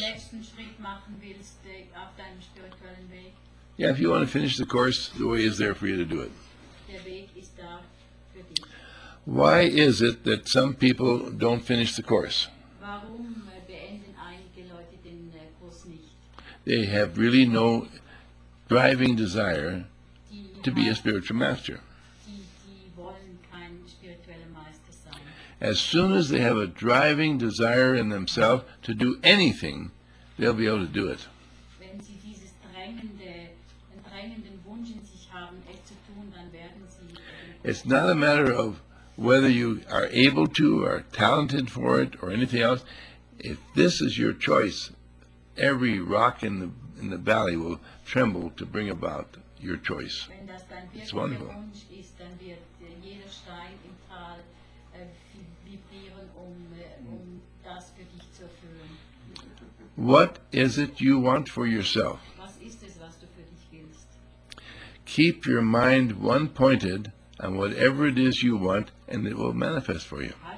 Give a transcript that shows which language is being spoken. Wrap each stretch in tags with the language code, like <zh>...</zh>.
<de>Den letzten Schritt machen willst, auf deinem spirituellen Weg.</de> <en>Yeah, if you want to finish the course, the way is there for you to do it.</en> <de>Der Weg ist da für dich.</de> <en>Why is it that some people don't finish the course?</en> <de>Warum beenden einige Leute den Kurs nicht?</de> <en>They have really no driving desire to be a spiritual master.</en> <de>Die wollen kein spiritueller Meister sein.</de> <en>As soon as they have a driving desire in themselves to do anything, they'll be able to do it.</en> <de>Wenn sie dieses drängenden Wunsch in sich haben, es zu tun, dann werden sie...</de> <en>It's not a matter of whether you are able to or are talented for it or anything else, if this is your choice, every rock in the valley will tremble to bring about your choice. It's wonderful.</en> <de>Ist, dann wird jeder Stein im Tal vibrieren, um das für dich zu erfüllen.</de> <en>What is it you want for yourself?</en> <de>Was ist es, was du für dich willst?</de> <en>Keep your mind one-pointed and whatever it is you want, and it will manifest for you.</en>